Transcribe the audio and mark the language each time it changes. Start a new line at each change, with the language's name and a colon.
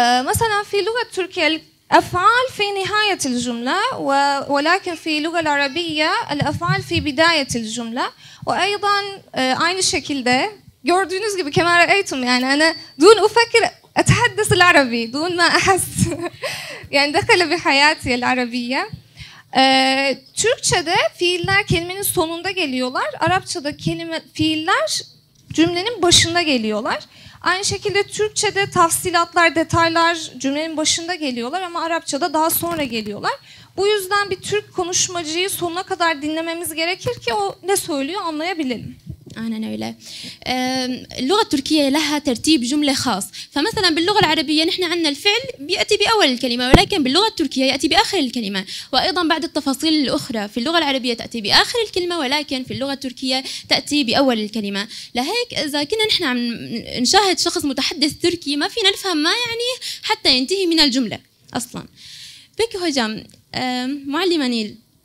Arabic: مثلا في لغة التركية الأفعال في نهاية الجملة، ولكن في اللغة العربية الأفعال في بداية الجملة. وأيضا عين الشكل ده
Turkish: gördüğünüz gibi
Arabic: كما رأيتم، يعني أنا دون أفكر أتحدث العربي دون ما أحس يعني دخل بحياتي العربية.
Turkish: Türkçe'de fiiller kelimenin sonunda geliyorlar. Arapça'da kelime fiiller cümlenin başında geliyorlar. Aynı şekilde Türkçe'de tafsilatlar, detaylar cümlenin başında geliyorlar ama Arapça'da daha sonra geliyorlar. Bu yüzden bir Türk konuşmacıyı sonuna kadar dinlememiz gerekir ki o ne söylüyor anlayabilelim.
Arabic: أنا أولى. اللغة التركية لها ترتيب جملة خاص، فمثلا باللغة العربية نحن عندنا الفعل يأتي بأول الكلمة، ولكن باللغة التركية يأتي بآخر الكلمة، وأيضا بعد التفاصيل الأخرى في اللغة العربية تأتي بآخر الكلمة ولكن في اللغة التركية تأتي بأول الكلمة. لهيك إذا كنا نحن عم نشاهد شخص متحدث تركي ما فينا نفهم ما يعنيه حتى ينتهي من الجملة أصلا.
Turkish: بيكي هجام،
Arabic: معلمة نيل،